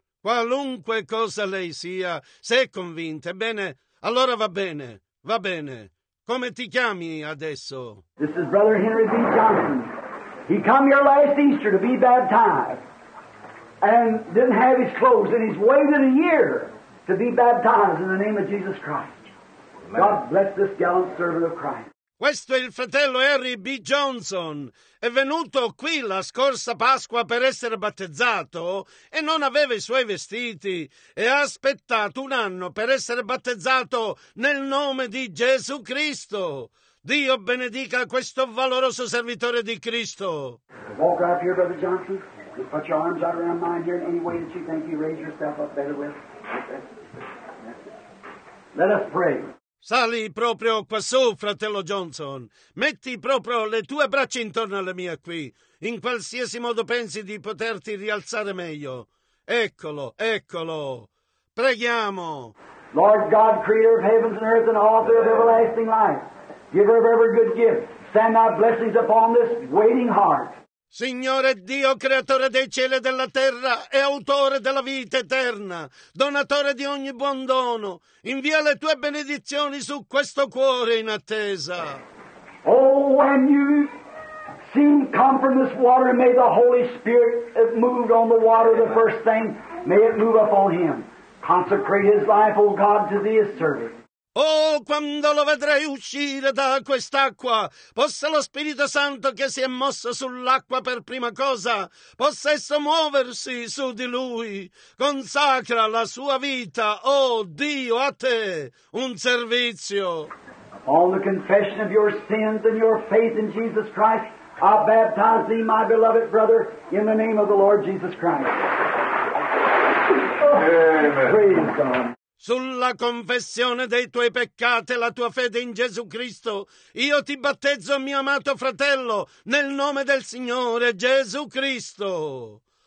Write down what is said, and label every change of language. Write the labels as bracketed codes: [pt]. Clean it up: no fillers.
[it] Qualunque cosa lei sia, se è convinta, bene, allora va bene, va bene. Come ti chiami adesso? [en] This is Brother Henry B. Johnson. He come here last Easter to be baptized and didn't have his clothes, and he's waited a year to be baptized in the name of Jesus Christ. God bless this gallant servant of Christ. [it] Questo è il fratello Harry B. Johnson. È venuto qui la scorsa Pasqua per essere battezzato e non aveva i suoi vestiti e ha aspettato un anno per essere battezzato nel nome di Gesù Cristo. Dio benedica questo valoroso servitore di Cristo. [en] Walk out here, Brother Johnson. Just put your arms out around mine here in any way that you think you raise yourself up better with. Let us pray. [it] Sali proprio quassù, fratello Johnson. Metti proprio le tue braccia intorno alle mie qui. In qualsiasi modo pensi di poterti rialzare meglio. Eccolo, eccolo. Preghiamo. [en] Lord God, creator of heavens and earth and author of everlasting life, giver of every good gift, send thy blessings upon this waiting heart. [it] Signore Dio, creatore dei cieli e della terra e autore della vita eterna, donatore di ogni buon dono, invia le tue benedizioni su questo cuore in attesa. [en] Oh, when you seem come from this water, may the Holy Spirit have moved on the water the first thing, may it move upon him. Consecrate his life, O God, to thee as servant. [it] Oh, quando lo vedrai uscire da quest'acqua, possa lo Spirito Santo che si è mosso sull'acqua per prima cosa, possa esso muoversi su di lui. Consacra la sua vita, oh Dio, a te, un servizio. [en] On the confession of your sins and your faith in Jesus Christ, I baptize thee, my beloved brother, in the name of the Lord Jesus Christ. Amen. Praise God. [it] Sulla confessione dei tuoi peccati e la tua fede in Gesù Cristo, io ti battezzo, mio amato fratello, nel nome del Signore Gesù Cristo.